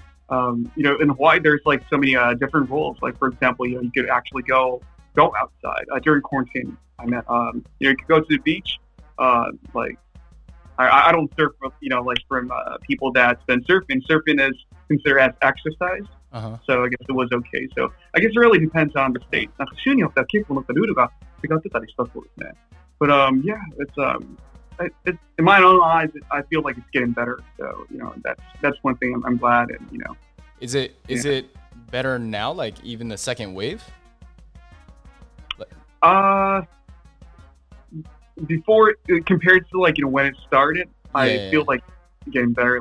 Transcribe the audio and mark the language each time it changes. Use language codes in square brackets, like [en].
[en] You know, in Hawaii, there's like so many different rules. Like, for example, you know, you could actually go outside during quarantine. I meant, you know, you could go to the beach, like, I don't surf, you know, like from people that's been surfing. Surfing is considered as exercise. Uh-huh. So I guess it was okay. So I guess it really depends on the state. [ja] なんか州によっては結構なんかルールが違ってたりしたそうですね。 [en] But yeah, it's in my own eyes, I feel like it's getting better. So, you know, that's one thing I'm glad and, you know. Is it better now, like even the second wave? Before, compared to like, you know, when it started, feel like getting better.